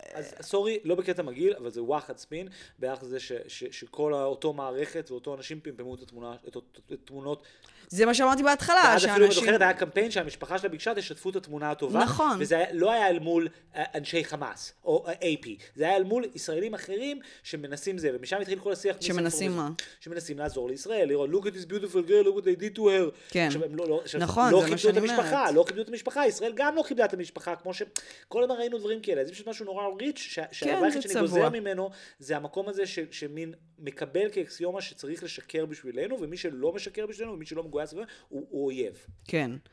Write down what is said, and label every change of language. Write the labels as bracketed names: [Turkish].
[Hebrew] אז סורי, לא בקטע מגיל, אבל זה וואחד ספין, ביחד זה שכל אותו מערכת ואותו אנשים פמפמו את התמונות. זה מה שאמרתי בהתחלה. ואז אפילו אם את זוכרת, היה קמפיין שהמשפחה שלה ביקשה, תשתפו את התמונה הטובה. נכון. וזה לא היה אל מול אנשי חמאס, או AP. זה היה אל מול ישראלים אחרים שמנסים זה. ומשם התחיל כל השיח. שמנסים מה? שמנסים לעזור לישראל, לראות, [English] look at this beautiful girl, look what they did to her. [Hebrew] כן. נכון, זה מה שאני אומרת. לא כיבדו את המשפחה, ישראל גם לא כיבדה את המשפחה, כמו שכל הזמן ראינו דברים כאלה. זה פשוט משהו נורא ריץ', שהבחית שאני גוזר ממנו, זה המקום הזה שמין מקבל כאקסיומה שצריך לשקר בשבילנו, ומי שלא משקר בשבילנו, ומי שלא מגויס בשבילנו, הוא אויב. כן.